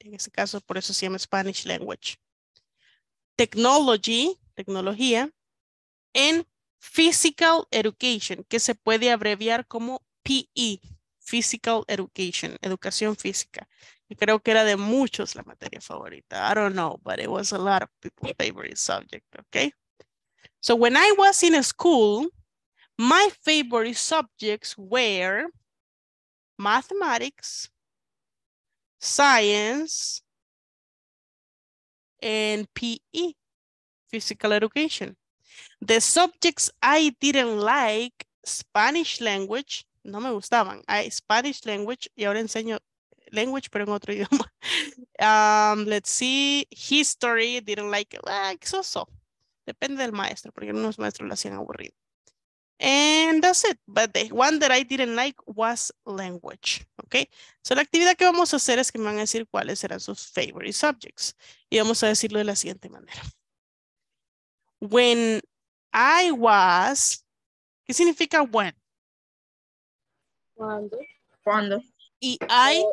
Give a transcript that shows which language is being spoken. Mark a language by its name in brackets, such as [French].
[Spanish] En ese caso, por eso se llama Spanish language. Technology, tecnología. And Physical Education, que se puede abreviar como PE, Physical Education, Educación Física. Y creo que era de muchos la materia favorita. [English] I don't know, but it was a lot of people's favorite subject, okay? So when I was in school, my favorite subjects were mathematics, science, and PE, physical education. The subjects I didn't like, Spanish language, [Spanish] no me gustaban. Spanish language, y ahora enseño language, pero en otro idioma. [English] Let's see, history, didn't like it. Like, so-so. [Spanish] Depende del maestro, porque unos maestros lo hacían aburrido. [English] And that's it. But the one that I didn't like was language. Okay. [Spanish] So la actividad que vamos a hacer es que me van a decir cuáles eran sus [English] favorite subjects. [Spanish] Y vamos a decirlo de la siguiente manera. [English] When I was, [Spanish] ¿qué significa when? Cuando. Cuando. Y I.